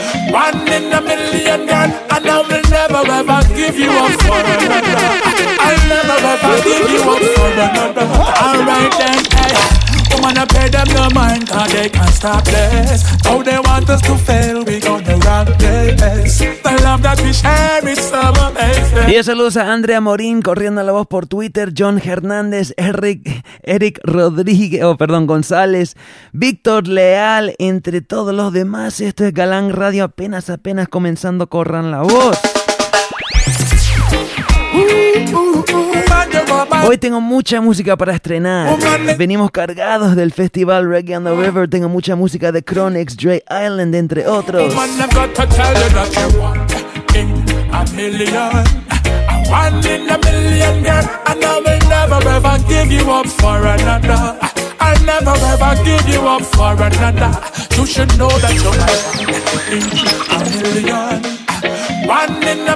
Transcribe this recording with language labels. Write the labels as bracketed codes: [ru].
[en] One in a million, girl, and I will never ever give you up for another. I'll never ever give you up for another. All right then, hey. Don't wanna pay them no mind, cause they can't stop this. Oh, they want us to fail, we gonna rock this. The love that we share is so amazing. [es] Y saludos a Andrea Morín, corriendo la voz por Twitter, John Hernández, Eric Rodríguez, González, Víctor Leal, entre todos los demás. Esto es Galang Radio, apenas comenzando, corran la voz. Hoy tengo mucha música para estrenar. Venimos cargados del festival Reggae on the River. Tengo mucha música de Chronix, Dre Island, entre otros. [en] One in a million, girl, and I will never ever give you up for another. I'll never ever give you up for another. You should know that you're my one in a million.